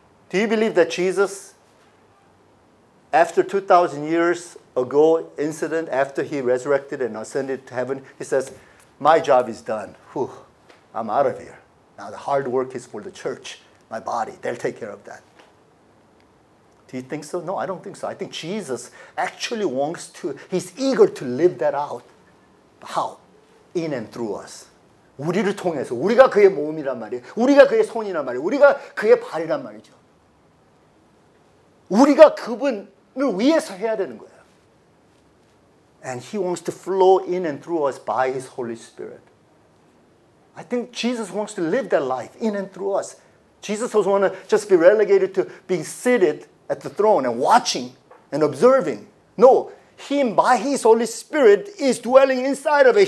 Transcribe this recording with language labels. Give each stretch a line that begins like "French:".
English: Do you believe that Jesus, after 2,000 years ago incident, after He resurrected and ascended to heaven, He says, my job is done. Whew, I'm out of here. Now the hard work is for the church, my body. They'll take care of that. Do you think so? No, I don't think so. I think Jesus actually wants to, He's eager to live that out. How? In and through us.
Korean: 우리를 통해서. 우리가 그의 몸이란 말이에요. 우리가 그의 손이란 말이에요. 우리가 그의 발이란 말이죠. 우리가 그분을 위해서 해야 되는 거예요.
English: And He wants to flow in and through us by His Holy Spirit. I think Jesus wants to live that life in and through us. Jesus doesn't want to just be relegated to being seated at the throne and watching and observing. No, Him by His Holy Spirit is dwelling inside of it.